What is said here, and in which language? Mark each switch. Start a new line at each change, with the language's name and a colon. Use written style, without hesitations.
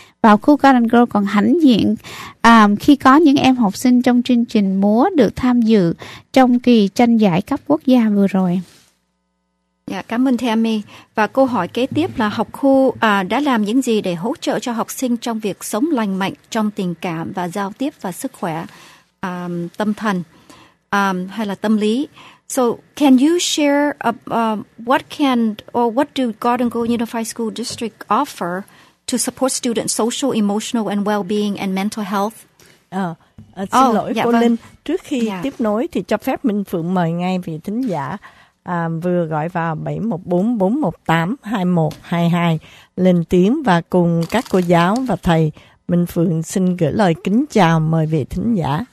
Vietnamese: Và học khu Garden Grove còn hãnh diện khi có những em học sinh trong chương trình múa được tham dự trong kỳ tranh giải cấp quốc gia vừa rồi. Dạ, cảm ơn Tammy. Và câu hỏi kế tiếp là học khu đã làm những gì để hỗ trợ cho học sinh trong việc sống lành mạnh trong tình cảm và giao tiếp và sức khỏe tâm thần hay là tâm lý.
English: So can you share what do Garden Grove Unified School District offer to support students' social, emotional and well-being and mental health?
Vietnamese: Xin lỗi cô Linh. Trước khi tiếp nối thì cho phép Minh Phượng mời ngay vị thính giả vừa gọi vào 714-418-2122 lên tiếng, và cùng các cô giáo và thầy Minh Phượng xin gửi lời kính chào, mời vị thính giả.